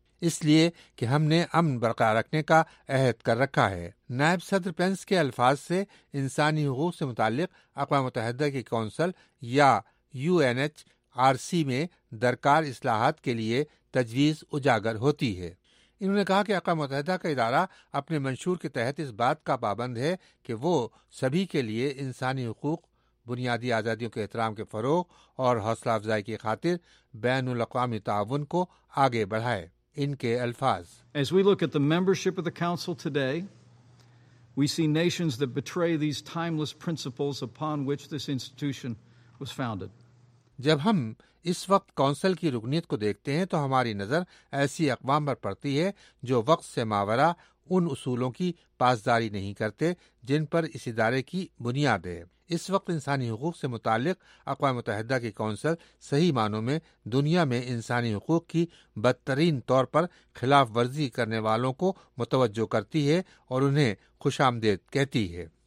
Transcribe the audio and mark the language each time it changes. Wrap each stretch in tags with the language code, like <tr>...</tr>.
<ur>اس لیے کہ ہم نے امن برقرار رکھنے کا عہد کر رکھا ہے۔ نائب صدر پینس کے الفاظ سے انسانی حقوق سے متعلق اقوام متحدہ کی کونسل یا you N H R C میں درکار اصلاحات کے لیے تجویز اجاگر ہوتی ہے۔ انہوں نے کہا کہ اقوام متحدہ کا ادارہ اپنے منشور کے تحت اس بات کا پابند ہے کہ وہ سبھی کے لیے انسانی حقوق بنیادی آزادیوں کے احترام کے فروغ اور حوصلہ افزائی کی خاطر بین الاقوامی تعاون کو آگے بڑھائے. ان کے الفاظ:</ur> <en>As we look at the membership of the council today, we see nations that betray these timeless principles upon which this institution was founded.</en> <ur>جب ہم اس وقت کونسل کی رکنیت کو دیکھتے ہیں تو ہماری نظر ایسی اقوام پر پڑتی ہے جو وقت سے ماورا ان اصولوں کی پاسداری نہیں کرتے جن پر اس ادارے کی بنیاد ہے. اس وقت انسانی حقوق سے متعلق اقوام متحدہ کی کونسل صحیح معنوں میں دنیا میں انسانی حقوق کی بدترین طور پر خلاف ورزی کرنے والوں کو متوجہ کرتی ہے اور انہیں خوش آمدید کہتی ہے.</ur>